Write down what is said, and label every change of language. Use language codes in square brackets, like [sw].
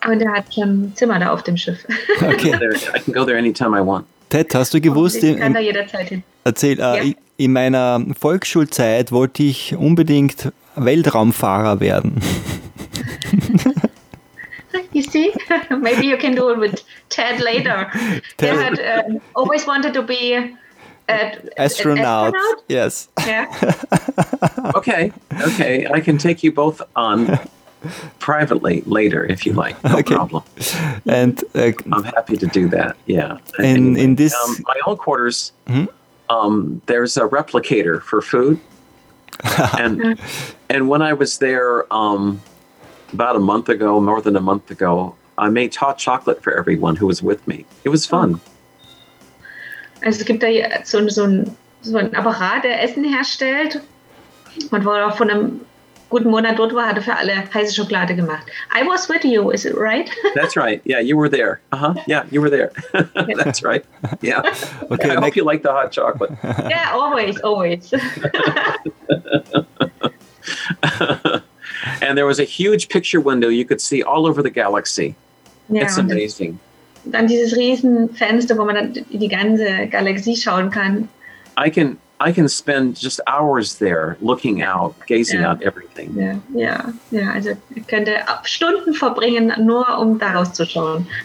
[de] Und er hat schon ein Zimmer da auf dem Schiff. [en] Okay. I can go there anytime I want. [de] Ted, hast du gewusst? Ich kann da jederzeit hin. Erzähl, ja. In meiner Volksschulzeit wollte ich unbedingt Weltraumfahrer werden. [en] You see? Maybe you can do it with Ted later. Ted. He had always wanted to be an astronaut. Yes. Yeah. Okay. I can take you both on privately later if you like. No problem. And I'm happy to do that. Yeah. In this my old quarters. There's a replicator for food. And when I was there about a month ago, more than a month ago, I made hot chocolate for everyone who was with me. It was fun. [de] Also, es gibt da so ein Apparat, der Essen herstellt. Und wo er auch von einem guten Monat dort war, hat er für alle heiße Schokolade gemacht. [en] I was with you, is it right? That's right. Yeah, you were there. Uh-huh. Yeah, you were there. That's right. Yeah. Okay, yeah, I hope you like the hot chocolate. Yeah, always. And there was a huge picture window you could see all over the galaxy. Yeah, it's amazing. [de] Dann dieses riesen Fenster, wo man dann in die ganze Galaxie schauen kann. [en] I can spend just hours there looking out, gazing out everything. Yeah. [de] Also ich könnte Stunden verbringen, nur um daraus zu schauen.